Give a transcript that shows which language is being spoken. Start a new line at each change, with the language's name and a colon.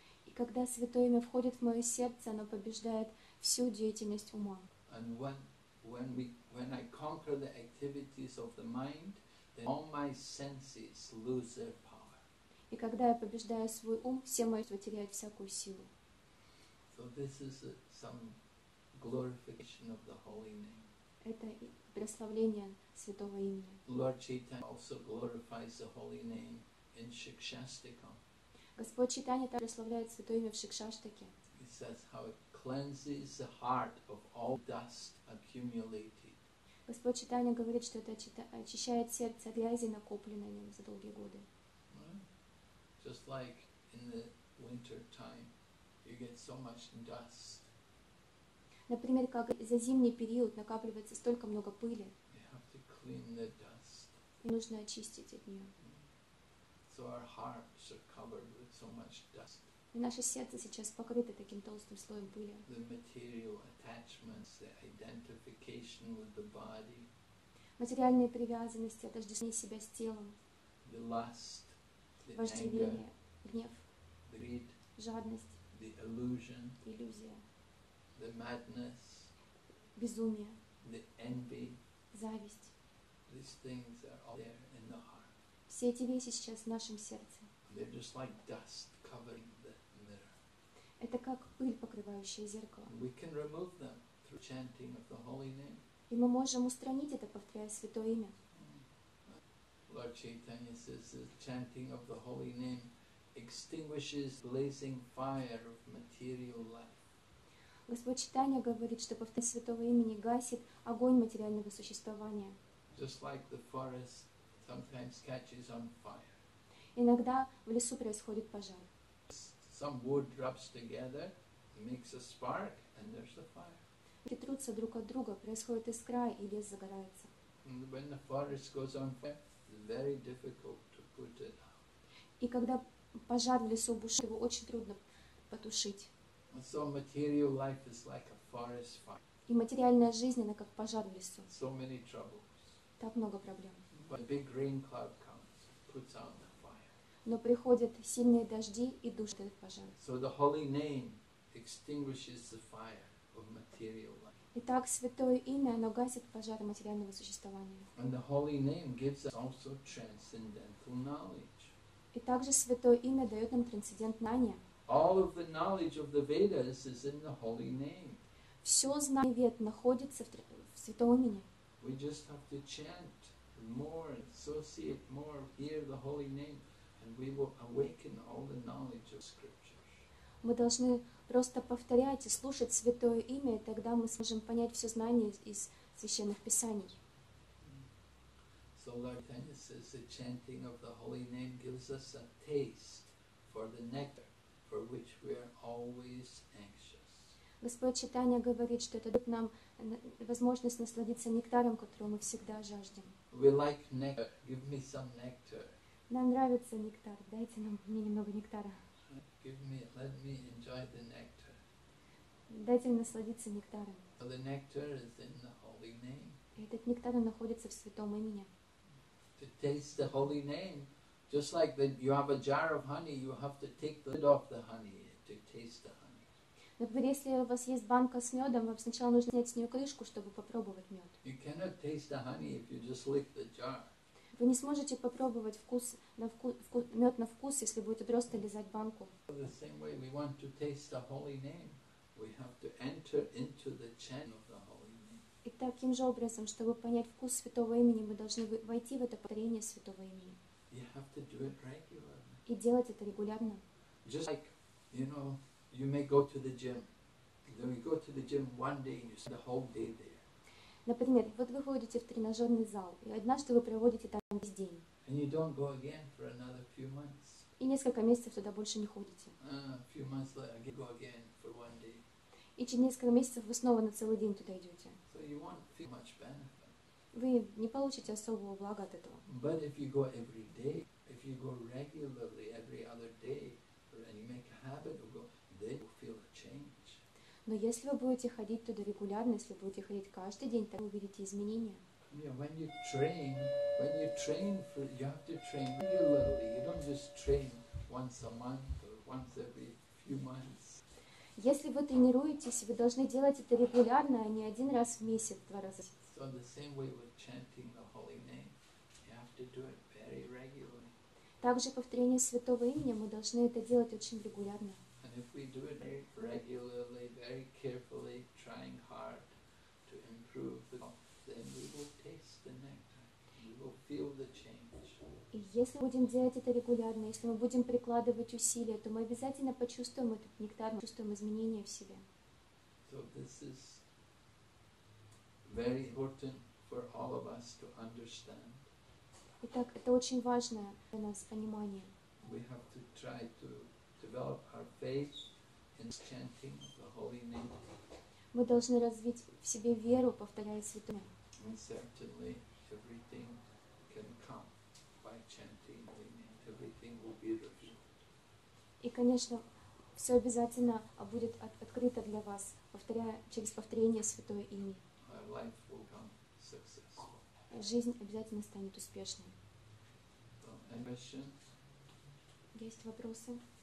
Russian: И когда святое имя входит в моё сердце, оно побеждает всю деятельность ума.
English: And when I conquer the activities of the mind, all my senses lose their power.
Russian: И когда я побеждаю свой ум, все мои чувства теряют всякую силу.
English: So this is some glorification of the holy name.
Russian: Это прославление святого имени.
English: Lord Chaitanya also glorifies the holy name in Shikshastikam.
Russian: Господь Чайтанья также прославляет святое имя в Шикшаштике.
English: He says how it cleanses the heart of all dust accumulated.
Russian: Господь Чайтанья говорит, что это очищает сердце от грязи, накопленной им за долгие годы.
English: Just like in the winter time, you get so much dust.
Russian: Например, как за зимний период накапливается столько много пыли.
English: You have to clean the dust.
Russian: И нужно очистить от нее.
English: So our hearts are covered with so much dust.
Russian: И наше сердце сейчас покрыто таким толстым слоем пыли.
English: The material attachments, the identification with the body.
Russian: Материальные привязанности, отождествление себя с телом.
English: The lust, the
Russian: вожделение,
English: anger,
Russian: гнев,
English: the greed,
Russian: жадность,
English: the illusion,
Russian: иллюзия,
English: the madness,
Russian: безумие,
English: the envy,
Russian: зависть.
English: These things are all there in the heart.
Russian: Все эти вещи сейчас в нашем сердце.
English: They're just like dust covering.
Russian: Это как пыль, покрывающая зеркало.
English: We can remove them through chanting of the holy name.
Russian: И мы можем устранить это, повторяя святое имя.
English: Lord Chaitanya says the chanting of the holy name extinguishes blazing fire of material life.
Russian: Господь Чайтанья говорит, что повторение святого имени гасит огонь материального существования.
English: Just like the forest sometimes catches on fire.
Russian: Иногда в лесу происходит пожар.
English: Some wood rubs together, makes a spark, and there's a fire.
Russian: Ветки трутся друг от друга, происходит искра, и лес загорается.
English: When the forest goes on fire, it's very difficult to put it out.
Russian: И когда пожар в лесу бушит, его очень трудно потушить.
English: So material life is like a forest fire.
Russian: И материальная жизнь, она как пожар в лесу.
English: So many troubles.
Russian: Так много проблем.
English: But a big rain cloud comes, puts out the fire.
Russian: Но приходят сильные дожди и душат этот пожар.
English: So the holy name extinguishes the fire of material life.
Russian: И так святое имя, оно гасит пожар материального существования.
English: And the holy name gives us also transcendental knowledge.
Russian: И также святое имя дает нам трансцендентное знание.
English: All of the knowledge of the Vedas is in the holy name.
Russian: Все знание Вед находится в святом имени.
English: We just have to chant more, associate more, hear the holy name, and we will awaken all the knowledge of scriptures.
Russian: Мы должны просто повторять и слушать святое имя, и тогда мы сможем понять все знание из священных писаний.
English: So Lord Chaitanya says the chanting of the holy name gives us a taste for the nectar for which we are always anxious.
Russian: Господь Чайтанья говорит, что это дает нам возможность насладиться нектаром, которого мы всегда жаждем.
English: We like nectar. Give me some nectar.
Russian: Нам нравится нектар. Дайте нам мне немного нектара.
English: Give me, let me enjoy the nectar.
Russian: Дайте насладиться нектаром.
English: So the nectar is in the holy name.
Russian: Этот нектар находится в святом имени.
English: To taste the holy name, just like when you have a jar of honey, you have to take the lid off the honey to taste the honey.
Russian: Например, если у вас есть банка с медом, вам сначала нужно снять с нее крышку, чтобы попробовать мед.
English: You cannot taste the honey if you just lick the jar.
Russian: Вы не сможете попробовать вкус на вкус мед на вкус, если будете просто лизать банку.
English: The same way we want to taste the holy name, we have to enter into the chant of the holy name.
Russian: И таким же образом, чтобы понять вкус святого имени, мы должны войти в это повторение святого имени.
English: You have to do it regularly.
Russian: И делать это регулярно.
English: Just like, you know, you may go to the gym. Then you go to the gym one day and you spend the whole day there.
Russian: Например, вот вы ходите в тренажерный зал, и однажды вы проводите там весь день.
English: And you don't go again for another few months.
Russian: И несколько месяцев туда больше не ходите.
English: Few months later, go again for one day.
Russian: И через несколько месяцев вы снова на целый день туда идете.
English: So you won't feel much benefit.
Russian: Вы не получите особого блага от этого.
English: But if you go every day, if you go regularly every other day, and you make a habit of going, then you feel a change.
Russian: Но если вы будете ходить туда регулярно, если будете ходить каждый день, тогда вы увидите изменения.
English: Yeah, when you train, for, you have to train regularly. You don't just train once a month or once every few months.
Russian: Если вы тренируетесь, вы должны делать это регулярно, а не один раз в месяц, два раза.
English: So the same way with chanting the holy name, you have to do it very regularly.
Russian: Также повторение святого имени, мы должны это делать очень регулярно.
English: And if we do it very regularly, very carefully, trying hard to improve the health, then we will taste the nectar. We will feel the change.
Russian: И если будем делать это регулярно, если мы будем прикладывать усилия, то мы обязательно почувствуем этот нектар, почувствуем изменения в себе.
English: So this is very important for all of us to understand.
Russian: Итак, это очень важное для нас понимание.
English: We have to try to develop our faith in chanting the holy name.
Russian: Мы должны развить в себе веру, повторяя святое имя.
English: And certainly everything can come by chanting the name. Everything will be revealed.
Russian: И, конечно, все обязательно будет открыто для вас, повторяя через повторение святое имя.
English: Our life will become successful.
Russian: Жизнь обязательно станет успешной.
English: Any questions?
Russian: Есть вопросы?